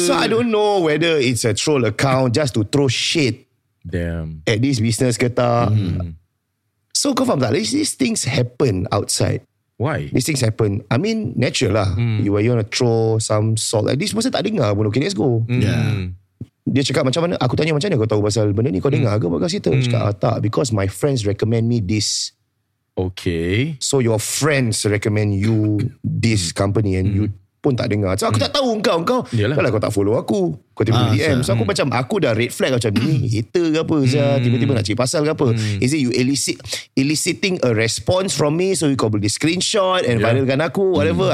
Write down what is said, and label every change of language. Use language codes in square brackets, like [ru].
[en] So I don't know whether it's a troll account just to throw shit at this business ke tak. [ms] So kau faham tak? [en] Like, these things happen outside. Why? These things happen. I mean, natural lah. You are going to throw some salt. Like, this person [ms] tak dengar pun. [en] Okay, let's go. [ms] Dia cakap macam mana? Aku tanya macam mana kau tahu pasal benda ni? Kau dengar ke buat kat situ? Cakap, ah, tak. [en] Because my friends recommend me this. Okay. So your friends recommend you this company and you [ms] pun tak dengar. [en] So [ms] aku tak tahu engkau. Engkau, kenapa kau tak follow aku? Kau tiba-tiba DM. So aku macam, aku dah red flag macam ni. Hater ke apa? Tiba-tiba nak cik pasal ke apa? [en] Is it you eliciting a response from me so you [ms] kau boleh screenshot [en] and [ms] viralkan aku? [en] Whatever.